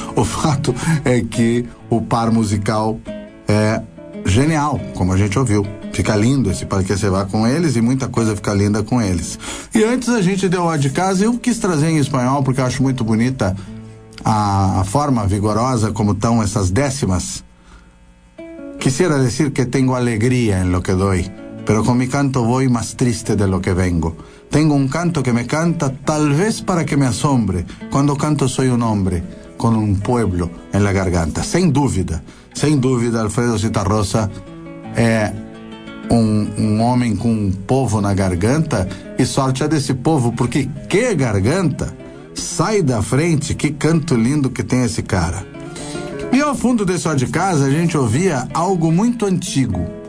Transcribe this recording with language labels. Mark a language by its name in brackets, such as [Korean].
[Portuguese] O fato é que o par musical é genial, como a gente ouviu. Fica lindo esse Pal Que Se Va com eles, e muita coisa fica linda com eles. E antes a gente deu a de casa, eu quis trazer em espanhol, porque eu acho muito bonita a forma vigorosa como estão essas décimas. [Spanish] Quisiera decir que tengo alegría en lo que doy, pero con mi canto voy más triste de lo que vengo. Tengo un canto que me canta, tal vez para que me asombre. Cuando canto soy un hombre, con un pueblo en la garganta. [Portuguese] Sem dúvida, Alfredo Zitarrosa é um homem com um povo na garganta, e sorte é desse povo, porque que garganta! Sai da frente, que canto lindo que tem esse cara. E ao fundo desse ó de casa, a gente ouvia algo muito antigo.